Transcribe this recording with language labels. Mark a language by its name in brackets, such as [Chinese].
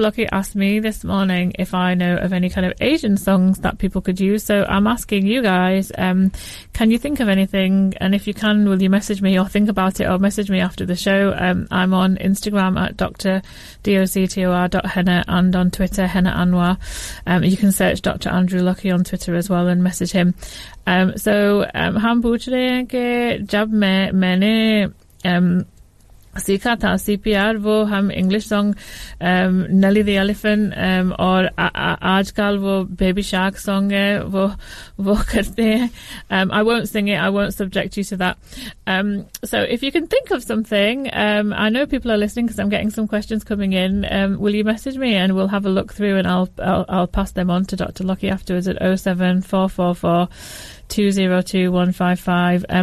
[English] Lockie asked me this morning if I know of any kind of Asian songs that people could use, so I'm asking you guys, can you think of anything? And if you can, will you message me, or think about it, or message me after the show? I'm on Instagram at Dr. Doctor Henna, and on Twitter, Henna Anwar. You can search Dr. Andrew Lockie on Twitter as well and message him. [Urdu] ہم پوچھ رہے کہ جب میں نے سیکھا تھا CPR، وہ ہم English song Nelly the Elephant اور آج کل وہ Baby Shark song ہے وہ کرتے ہیں۔ [English] I won't sing it, I won't subject you to that. So if you can think of something, I know people are listening because I'm getting some questions coming in, will you message me and we'll have a look through, and I'll pass them on to Dr. Lockie afterwards at 07444 202155.